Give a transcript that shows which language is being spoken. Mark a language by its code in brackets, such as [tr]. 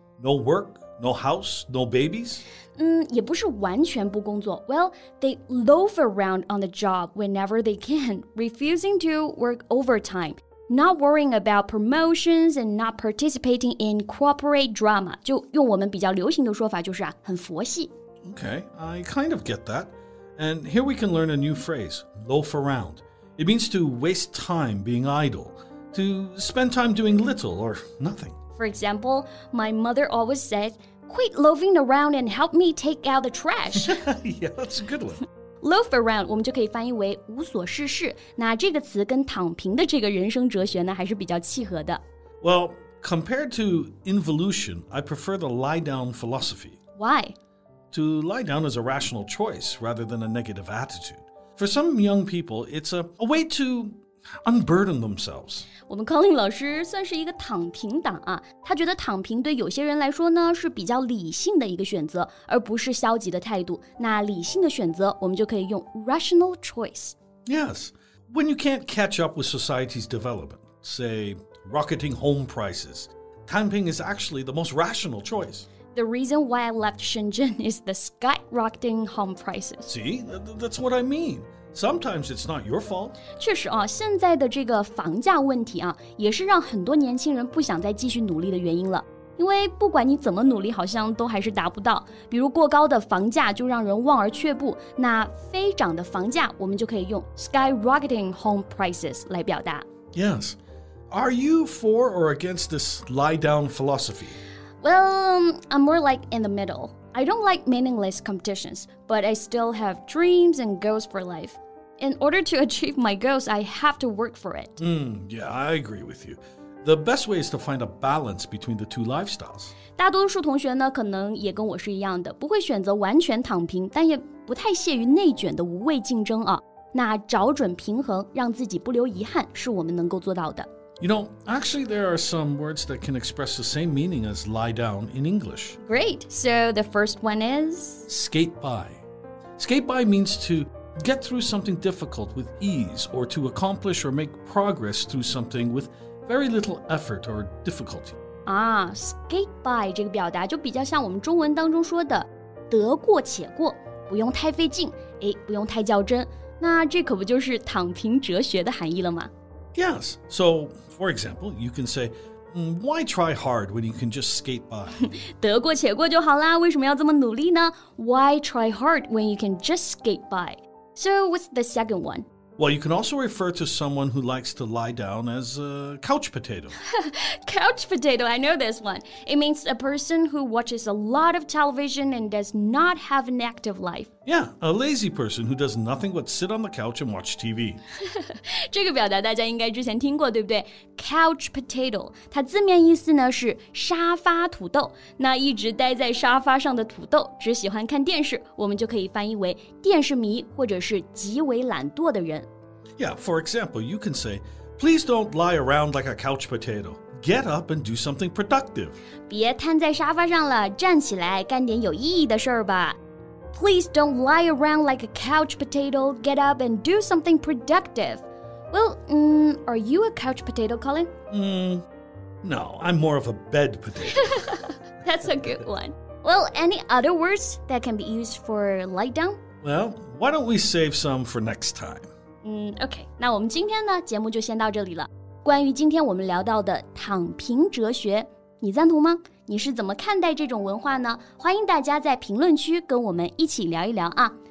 [en] No work? No house, no babies? [zh] 也不是完全不工作。 [en] Well, they loaf around on the job whenever they can, refusing to work overtime, not worrying about promotions and not participating in corporate drama. [zh] 就用我们比较流行的说法就是啊，很佛系。 [en] Okay, I kind of get that. And here we can learn a new phrase, loaf around. It means to waste time being idle, to spend time doing little or nothing. For example, my mother always says, quit loafing around and help me take out the trash. Yeah, that's a good one. [zh] Loaf around, 我们就可以翻译为无所事事。那这个词跟躺平的这个人生哲学呢，还是比较契合的。 [en] Well, compared to involution, I prefer the lie down philosophy. Why? To lie down is a rational choice rather than a negative attitude. For some young people, it's a way to... unburden themselves. [zh] 我们 Colin 老师算是一个躺平党啊，他觉得躺平对有些人来说呢是比较理性的一个选择，而不是消极的态度。那理性的选择，我们就可以用 rational choice. [en] Yes, when you can't catch up with society's development, say rocketing home prices, 躺平 is actually the most rational choice. The reason why I left Shenzhen is the skyrocketing home prices. See, that's what I mean. Sometimes it's not your fault. [zh] 确实啊，现在的这个房价问题啊，也是让很多年轻人不想再继续努力的原因了。因为不管你怎么努力，好像都还是达不到。比如过高的房价就让人望而却步。那飞涨的房价，我们就可以用 skyrocketing home prices 来表达。 [en] Yes. Are you for or against this lie down philosophy? Well, I'm more like in the middle. I don't like meaningless competitions, but I still have dreams and goals for life. In order to achieve my goals, I have to work for it. Yeah, I agree with you. The best way is to find a balance between the two lifestyles. [zh] 大多数同学呢，可能也跟我是一样的，不会选择完全躺平，但也不太屑于内卷的无谓竞争啊。那找准平衡，让自己不留遗憾，是我们能够做到的。 [en] You know, actually there are some words that can express the same meaning as lie down in English. Great, so the first one is... Skate by. Skate by means to get through something difficult with ease or to accomplish or make progress through something with very little effort or difficulty. [zh] Ah, skate by 这个表达就比较像我们中文当中说的得过且过，不用太费劲，诶，不用太较真。那这可不就是躺平哲学的含义了吗？ [en] Yes. So, for example, you can say, why try hard when you can just skate by? [zh] 得过且过就好啦，为什么要这么努力呢? [en] Why try hard when you can just skate by? So, what's the second one? Well, you can also refer to someone who likes to lie down as a couch potato. Couch potato, I know this one. It means a person who watches a lot of television and does not have an active life. Yeah, a lazy person who does nothing but sit on the couch and watch TV. [zh] 这个表达大家应该之前听过，对不对? Couch potato, 它字面意思呢是沙发土豆。那一直待在沙发上的土豆只喜欢看电视，我们就可以翻译为电视迷或者是极为懒惰的人。 [en] Yeah, for example, you can say, please don't lie around like a couch potato. Get up and do something productive. [zh] 别瘫在沙发上了，站起来干点有意义的事儿吧。 [en] Please don't lie around like a couch potato. Get up and do something productive. Well, are you a couch potato, Colin? No, I'm more of a bed potato. That's a good one. Well, any other words that can be used for lie down? Well, why don't we save some for next time? [zh] Okay, 那我们今天呢，节目就先到这里了。关于今天我们聊到的躺平哲学，你赞同吗？你是怎么看待这种文化呢？欢迎大家在评论区跟我们一起聊一聊啊。